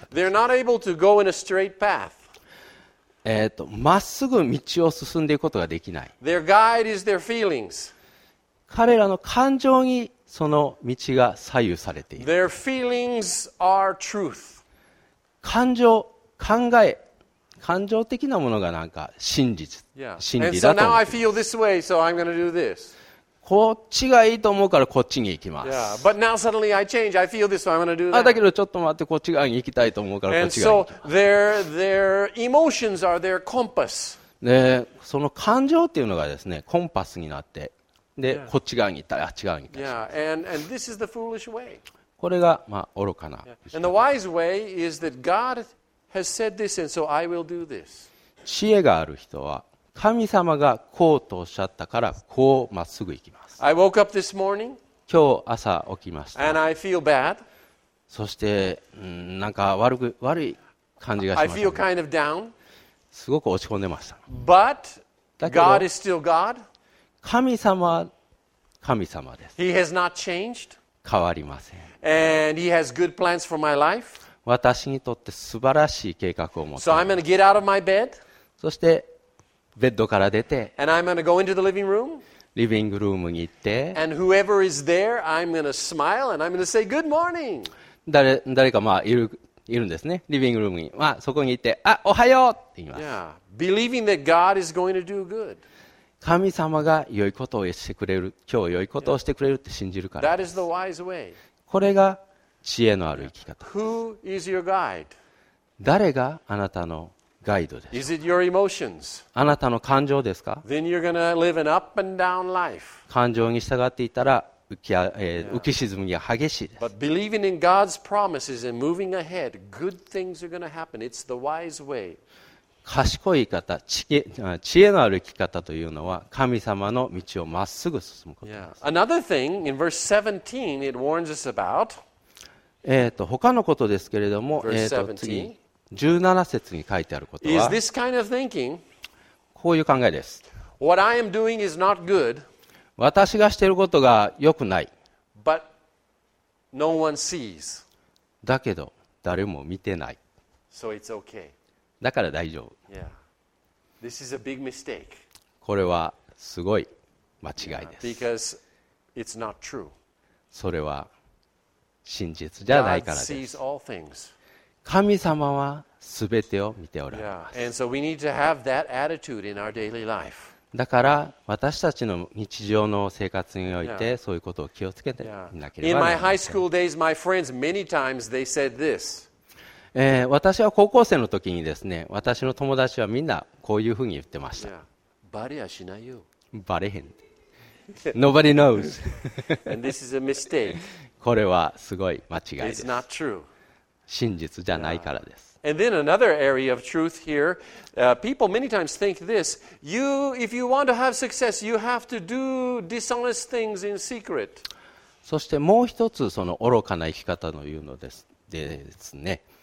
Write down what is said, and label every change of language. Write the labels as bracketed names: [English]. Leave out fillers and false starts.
[English] They're not able to go in a straight path. [Japanese] まっすぐ道を進んでいくことができない。 [English] Their guide is their feelings. [Japanese] 彼らの感情にその道が左右されている。 [English] Their feelings are truth. [Japanese] 感情、考え、感情的なものがなんか真実、 [English] yeah. [Japanese] 真理だと思う。 [English] And so now I feel this way, so I'm going to do this. [Japanese] こっちがいいと思うからこっちに行きます。 [English] Yeah, but now suddenly I change. I feel this, so I'm going to do that. [Japanese] あ、だけどちょっと待って、こっち側に行きたいと思うからこっち側に行きます。 [English] And so their emotions are their compass. [Japanese] で、その感情っていうのがですね、コンパスになって、で、 [English] yeah. [Japanese] こっち側に行ったり、あっち側に行ったり。 [English] Yeah, and this is the foolish way. [Japanese] これが、まあ、愚かな。 [English] And the wise way is that God has said this, and so I will do this. [Japanese] 知恵がある人は、神様がこうとおっしゃったからこうまっすぐ行きます。 [English] I woke up this morning, [Japanese] 今日朝起きました。 [English] and I feel bad. [Japanese] そしてなんか悪い感じがしました、 [English] ね、I feel kind of down. [Japanese] すごく落ち込んでました。 [English] But God is still God. [Japanese] 神様は神様です。 [English] He has not changed. [Japanese] 変わりません。 [English] And He has good plans for my life. [Japanese] 私にとって素晴らしい計画を持っています [English] So I'm going to get out of my bed. [Japanese] そしてベッドから出て、 [English] and I'm going to go into the living room, [Japanese] リビングルームに行って、 [English] and whoever is there, I'm going to smile and I'm going to say good morning. [Japanese] 誰かまあいるんですね、リビングルームに、まあ、そこに行って、あ、おはようって言います。 [English] Yeah. Believing that God is going to do good. [Japanese] 神様が良いことをしてくれる、今日良いことをしてくれるって信じるから。 [English] That is the wise way. [Japanese] これが知恵のある生き方。 [English] Who is your guide? [Japanese] 誰があなたのガイドです。 [English] Is it your emotions? [Japanese] あなたの感情ですか? [English] Then you're going to live an up and down life. [Japanese] 感情に従っていたら浮き沈みが激しいです。 [English] But believing in God's promises and moving ahead, good things are going to happen. It's the wise way. [Japanese] 賢い方、知恵のある生き方というのは神様の道をまっすぐ進むことです。 [English] Another thing, in verse 17, it warns us about. [Japanese] 他のことですけれども、次17節に書いてあることは、 [English] is this kind of thinking, [Japanese] こういう考えです。 [English] What I am doing is not good, [Japanese] 私がしていることが良くない。 [English] But no one sees. [Japanese] だけど誰も見てない。 [English] So it's okay. [Japanese] だから大丈夫。 [English] Yeah. This is a big mistake. [Japanese] これはすごい間違いです。 [English] Yeah. Because it's not true. [Japanese] それは真実じゃないからです。 [English] God sees all things. [Japanese] 神様はすべてを見ておられます。 [English] Yeah. And so we need to have that attitude in our daily life. [Japanese] だから私たちの日常の生活において、そういうことを気をつけてなければなりません。 [English] In my high school days, my friends many times they said this. [Japanese] 私は高校生の時にですね、私の友達はみんなこういうふうに言ってました。バレはしないよ。バレへん。 [English] Nobody knows. And this is a mistake. [Japanese] これはすごい間違いです。 [English] It's not true. [Japanese] 真実じゃないからです。 [English] And then another area of truth here, people many times think this, if you want to have success, you have to do dishonest things in secret. [Japanese] そしてもう一つ、その愚かな生き方の言うのです、でですね。